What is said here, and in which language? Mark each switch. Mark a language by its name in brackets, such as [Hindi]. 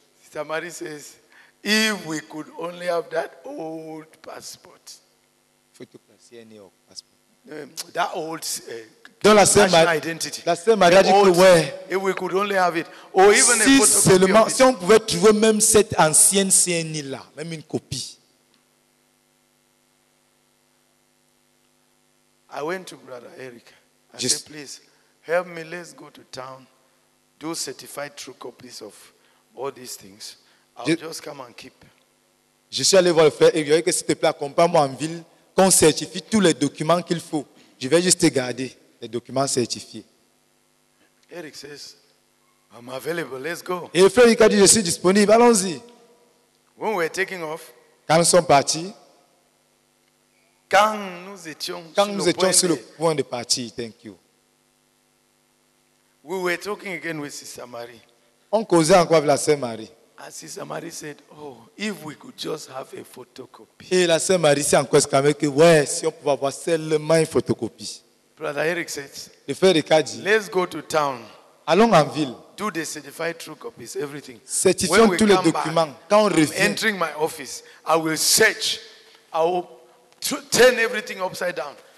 [English] Sister Marie says, if we could only have that old passport. That old [French] la Sœur Marie a dit que ouais. [English] If we could only have it, or even [French] si [English] a photo [French] seulement, [English] of it. [French] Si on pouvait trouver même cette ancienne CNI là, même une copie. [English] I went to Brother Eric. I said, please help me. Let's go to town, do certified true copies of all these things. I'll just come and keep. [French] Je suis allé voir le frère et il a dit que s'il te plaît, accompagne-moi en ville, qu'on certifie tous les documents qu'il faut. Je vais juste te garder les documents certifiés. [English] Eric says, I'm available. Let's go. [French] Et le frère a dit, je suis disponible. Allons-y. [English] When we're taking off. [French] Quand nous sommes partis. Quand nous étions, quand nous étions sur le point de partir, [English] thank you. We were talking again with Sister Marie. [French] On causait encore avec la Sœur Marie. [English] And Sister Marie said, oh, if we could just have a photocopy. [French] Et la Sœur Marie s'est encore exclamée que, ouais, si on pouvait avoir seulement une photocopie. [English] Brother Eric said, [French] le frère Eric a dit, [English] let's go to town. [French] Allons en ville. [English] Do the certified true copies, everything. [French] Certifions tous les documents. [English] Back, [French] quand on revient, [English] I'm entering my office, I will search, I will turn everything upside down.